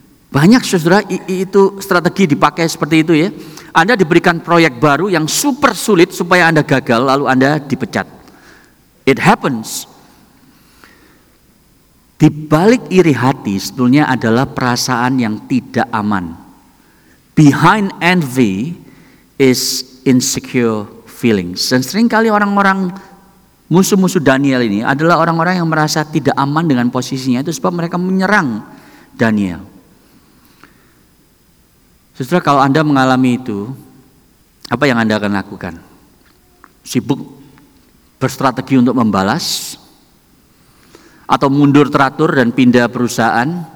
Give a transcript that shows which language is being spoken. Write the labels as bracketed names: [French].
[Indonesian] Banyak saudara itu strategi dipakai seperti itu ya. Anda diberikan proyek baru yang super sulit supaya Anda gagal lalu Anda dipecat. [English] It happens. [Indonesian] Di balik iri hati sebetulnya adalah perasaan yang tidak aman. [English] Behind envy is insecure feelings. [Indonesian] Dan seringkali orang-orang musuh-musuh Daniel ini adalah orang-orang yang merasa tidak aman dengan posisinya. Itu sebab mereka menyerang Daniel. Setelah kalau Anda mengalami itu, apa yang Anda akan lakukan? Sibuk berstrategi untuk membalas? Atau mundur teratur dan pindah perusahaan?